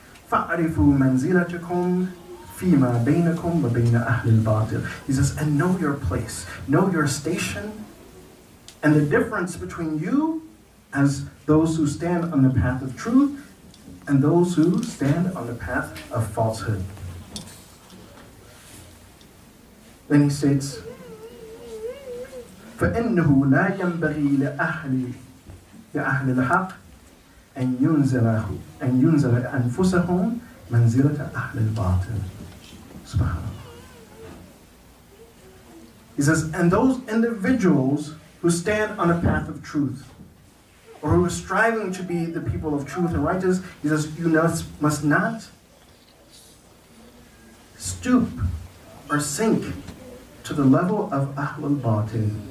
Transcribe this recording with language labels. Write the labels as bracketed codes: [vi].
[ar] فَعْرِفُ مَنْزِلَتِكُمْ فِي مَا بَيْنَكُمْ وَبَيْنَ أَهْلِ الْبَاطِلِ. [en] He says, and know your place, know your station, and the difference between you as those who stand on the path of truth and those who stand on the path of falsehood. Then he states, [ar] فَإِنَّهُ لَا يَنْبَغِي لِأَهْلِ الْحَقِّ أَنْ يُنْزَلَ أَنفُسَهُمْ مَنْزِلَةَ أَهْلِ الْبَاطِلِ. SubhanAllah. [en] He says, and those individuals who stand on a path of truth, or who are striving to be the people of truth and righteousness, he says, you must not stoop or sink to the level of Ahl al-Batil.